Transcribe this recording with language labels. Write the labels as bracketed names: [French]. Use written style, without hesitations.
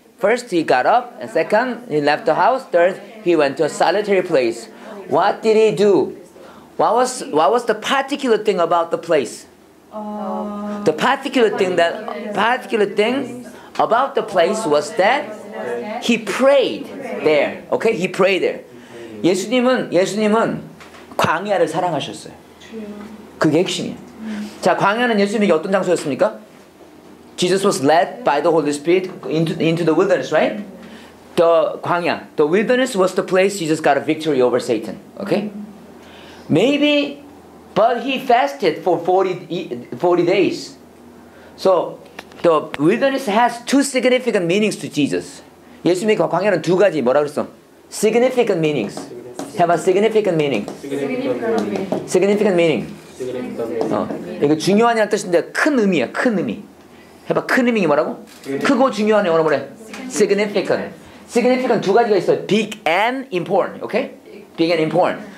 [English] First, he got up, and second, he left the house. Third, he went to a solitary place. What did he do? What was the particular thing about the place? The particular thing about the place was that he prayed there. Okay, he prayed there. [Korean] 예수님은 광야를 사랑하셨어요. 그게 핵심이에요. 자, 광야는 예수님에게 어떤 장소였습니까? [English] Jesus was led by the Holy Spirit into the wilderness, right? The 광야, the wilderness was the place Jesus got a victory over Satan. Okay? Maybe, but he fasted for 40 days. So, the wilderness has two significant meanings to Jesus. [Korean] 예수님과 광야는 두 가지 뭐라고 했어? [English] Significant meanings. Have a significant meaning. Significant meaning. Significant meaning. [Korean] 이거 중요한이란 뜻인데 큰 의미야, 큰 의미. 해봐, 큰 의미가 뭐라고? 크고 중요한 영어로 뭐래? [English] Significant. Significant [Korean] 두 가지가 있어요. [English] Big and important. Okay? Big and important.